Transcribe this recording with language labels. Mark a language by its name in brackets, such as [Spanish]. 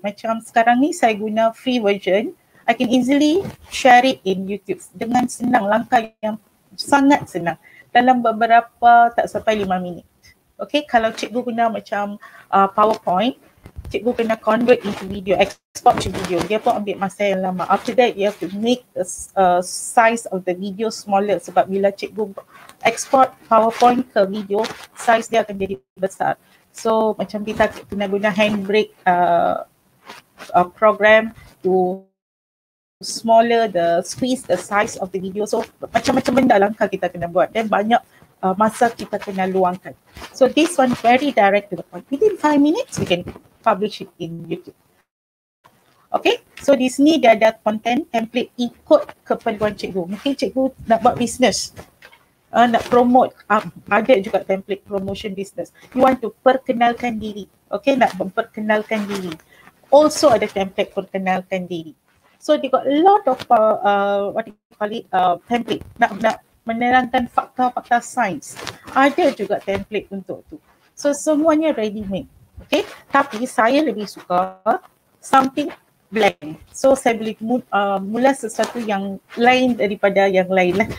[Malay] Macam sekarang ni saya guna free version. [English] I can easily share it in YouTube [Malay] dengan senang, langkah yang sangat senang. Dalam beberapa tak sampai 5 minit. Okay, kalau cikgu guna macam PowerPoint, cikgu kena [English] convert into video, export to video. [Malay] Dia pun ambil masa yang lama. [English] After that, you have to make the size of the video smaller. [Malay] Sebab bila cikgu export PowerPoint ke video, size dia akan jadi besar. [English] So [Malay] macam kita kena guna [English] handbrake program to smaller the squeeze the size of the video. [Malay] So macam-macam benda langkah kita kena buat dan banyak masa kita kena luangkan. [English] So this one very direct to the point. Within 5 minutes we can publish it in YouTube. Okay, so [Malay] di sini dia ada [English] content template [Malay] ikut keperluan cikgu. Mungkin cikgu nak buat business. Nak promote, ada juga template promotion business. [English] You want to [Malay] perkenalkan diri. Okay, nak memperkenalkan diri. Also ada template perkenalkan diri. [English] So, they got a lot of, what do you call it, template. [Malay] Nak menerangkan fakta-fakta sains. Ada juga template untuk tu. So, semuanya ready made. Okay, tapi saya lebih suka [English] something blank. [Malay] So saya boleh mula sesuatu yang lain daripada yang lain lah.